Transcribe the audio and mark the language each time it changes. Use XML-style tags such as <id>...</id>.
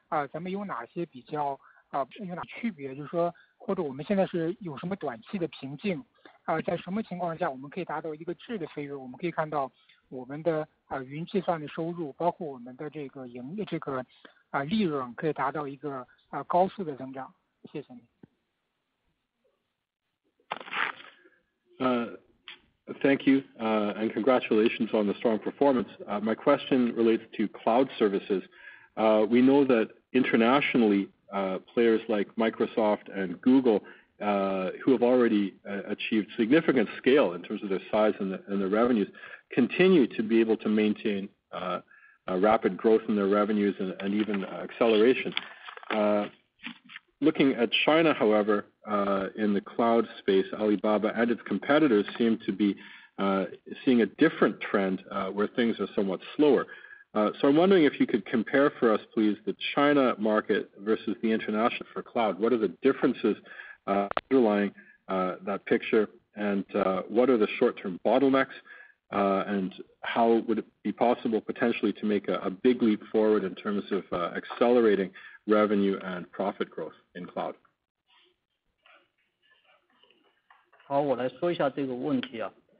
<zh>咱们有哪些比较有哪区别，就是说或者我们现在是有什么短期的瓶颈在什么情况下我们可以达到一个质的飞跃，我们可以看到我们的云计算的收入，包括我们的这个盈利这个利润可以达到一个高速的增长，谢谢你。</zh> <en>Thank you, and congratulations on the strong performance. My question relates to cloud services. We know that internationally, players like Microsoft and Google, who have already achieved significant scale in terms of their size and their revenues, continue to be able to maintain rapid growth in their revenues and even acceleration. Looking at China, however, in the cloud space, Alibaba and its competitors seem to be seeing a different trend where things are somewhat slower. So I'm wondering if you could compare for us, please, the China market versus the international for cloud. What are the differences underlying that picture, and what are the short-term bottlenecks, and how would it be possible potentially to make a big leap forward in terms of accelerating revenue and profit growth in cloud?</en> <zh>好，我来说一下这个问题啊。</zh>